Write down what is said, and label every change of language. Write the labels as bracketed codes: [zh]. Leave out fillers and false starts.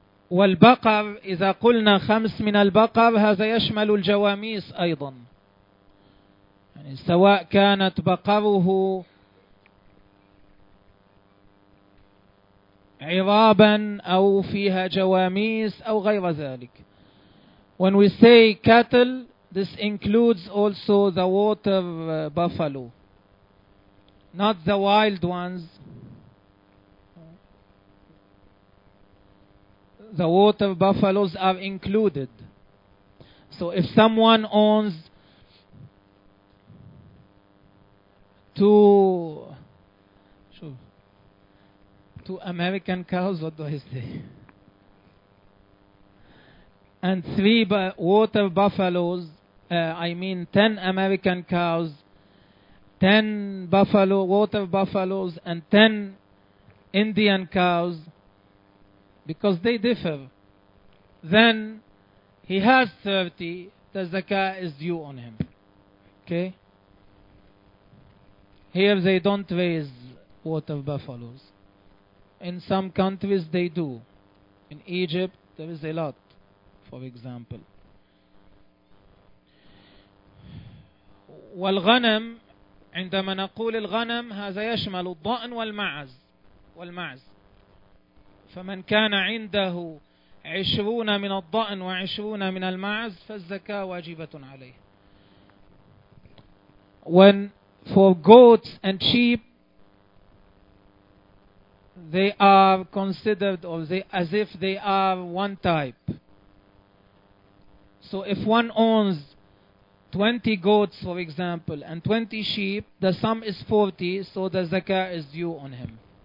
[ar] والبقر إذا قلنا 5 من البقر هذا يشمل الجواميس أيضا. يعني سواء كانت بقره عرابا أو فيها جواميس أو غير ذلك. [en] When we say cattle, this includes also the water buffalo, not the wild ones. The water buffaloes are included. So if someone owns 2 American cows, what do I say? And 3 water buffaloes, 10 American cows, 10 buffalo water buffaloes, and 10 Indian cows, because they differ, then he has 30, the zakah is due on him. Okay? Here they don't raise water buffaloes. In some countries they do. In Egypt there is a lot. For example, [ar] والغنم عندما نقول الغنم هذا يشمل الضأن والمعز والمعز. فمن كان عنده 20 من الضأن وعشرون من المعز فالزكاة واجبة عليه. [en] When for goats and sheep, they are considered as if they are one type. So if one owns 20 goats, for example, and 20 sheep, the sum is 40, so the zakah is due on him.